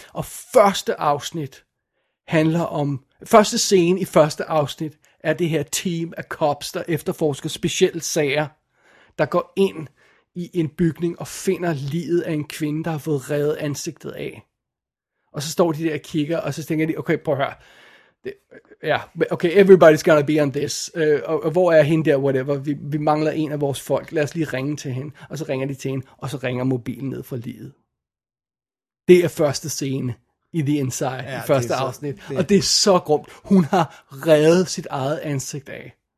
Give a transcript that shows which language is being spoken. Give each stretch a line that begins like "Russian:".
Danish: Og første afsnit handler om... Første scene i første afsnit er det her team af cops, der efterforsker specielle sager, der går ind i en bygning og finder liget af en kvinde, der har fået revet ansigtet af. Og så står de der og kigger, og så tænker de, okay, prøv at høre.
English: Okay, everybody's gonna be on this.
Danish: Og hvor er hende der, whatever? Vi mangler en af vores folk. Lad os lige ringe til hende. Og så ringer de til hende, og så ringer mobilen ned fra liget. Det er første scene i The Inside, ja, i første så, afsnit. Det. Og det er så grumt. Hun har reddet sit eget ansigt af.